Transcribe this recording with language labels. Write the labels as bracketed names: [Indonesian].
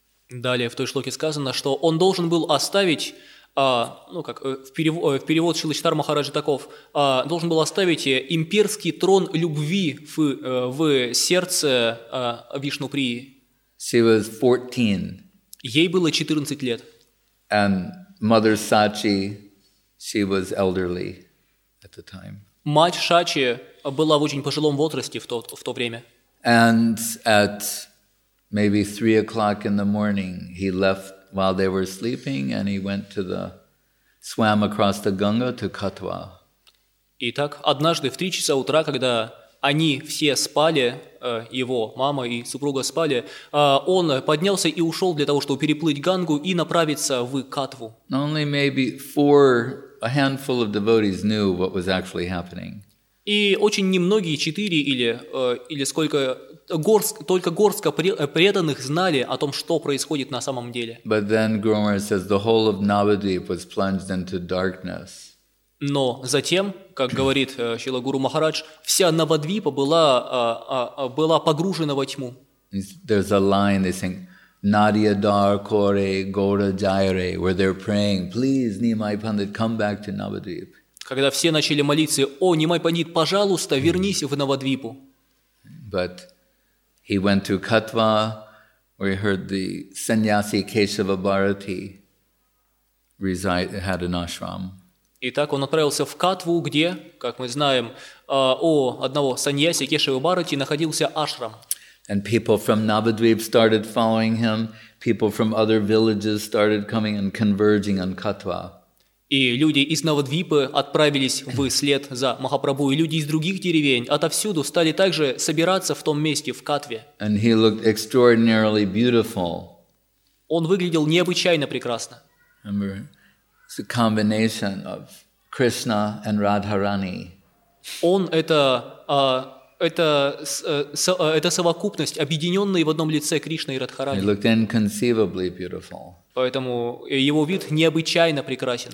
[Russian] Далее в той шлоке сказано, что он должен был оставить, в перевод Шрилы Чайтанья Махараджи таков, должен был оставить имперский трон любви в сердце Вишну Прии. [English] She was 14. [Russian] Ей было 14 лет. [English] And Mother Sachi, she was elderly. At the time. [Russian] Мать Шачи была в очень пожилом возрасте в то время. [English] And at maybe 3 o'clock in the morning, he left while they were sleeping, and he went to the swam across the Ganga to Katwa. [Russian] Итак, однажды в 3 часа утра, когда они все спали, его мама и супруга спали, он поднялся и ушел для того, чтобы переплыть Гангу и направиться в Катву. [English] Only maybe four. A handful of devotees knew what was actually happening. [Russian] И очень немногие 4 или сколько только горстка преданных знали о том, что происходит на самом деле. [English] But then Guru Maharaj says the whole of Navadvip was plunged into darkness. [Russian] Но затем, как говорит Шрила Гуру Махарадж, вся Навадвипа была погружена во тьму. [English] There's a line they sing. [Bangla] Nadia Dar Kore Gora Jaire, [English] where they're praying, please, Nimai Pandit, come back to Navadvip. [Russian] Когда все начали молиться, о, Нимай Пандит, пожалуйста, вернись в Навадвипу. [English] But he went to Катва, where he heard the sannyasi Keshava Bharati had an ashram. [Russian] Итак, он отправился в Катву, где, как мы знаем, у одного саньяси Кешава Бхарати находился ашрам. [English] And people from Navadvip started following him. People from other villages started coming and converging on Katwa. [Russian] И люди из Навадвипы отправились вслед за Махапрабху, и люди из других деревень отовсюду стали также собираться в том месте в Катве. [English] And he looked extraordinarily beautiful. [Russian] Он выглядел необычайно прекрасно. [English] Remember, it's a combination of Krishna and Radharani. [Russian] Он это Это совокупность, объединенная в одном лице Кришны и Радхарани. [English] He looked inconceivably beautiful. [Russian] Поэтому его вид необычайно прекрасен.